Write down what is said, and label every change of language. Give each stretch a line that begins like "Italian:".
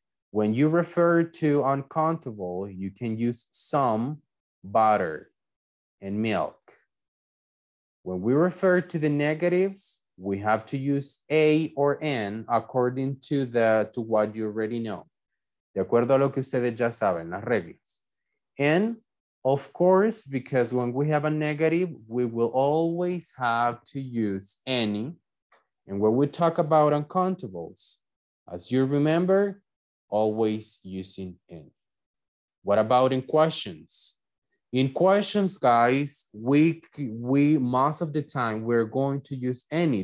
English: When you refer to uncountable, you can use some butter and milk. When we refer to the negatives, we have to use a or n according to the to what you already know.
Spanish: De acuerdo a lo que ustedes ya saben, las reglas.
English: And of course, because when we have a negative, we will always have to use any. And when we talk about uncountables, as you remember, always using in. What about in questions? In questions, guys, we most of the time we're going to use any.